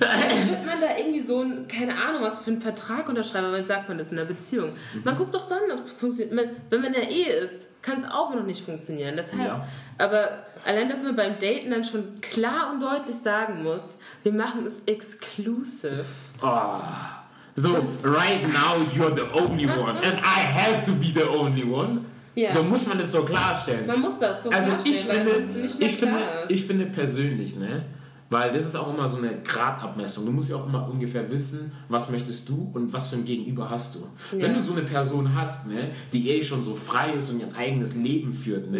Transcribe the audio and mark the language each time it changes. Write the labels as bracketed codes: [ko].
[de] Wird man da irgendwie so ein, keine Ahnung, was für einen Vertrag unterschreiben, wenn man sagt, man ist in einer Beziehung. Mhm. Man guckt doch dann, ob es funktioniert. Wenn man in der Ehe ist, kann es auch noch nicht funktionieren. Deshalb, ja. Aber allein, dass man beim Daten dann schon klar und deutlich sagen muss, wir machen es exclusive. Oh. So, das [en] right now you're the only one and I have to be the only one. Yeah. [de] So muss man das so klarstellen. Man muss das so also klarstellen. Ich finde persönlich, ne, weil das ist auch immer so eine Gradabmessung. Du musst ja auch immer ungefähr wissen, was möchtest du und was für ein Gegenüber hast du. [en] Yeah. [de] Wenn du so eine Person hast, ne, die eh schon so frei ist und ihr eigenes Leben führt, ne,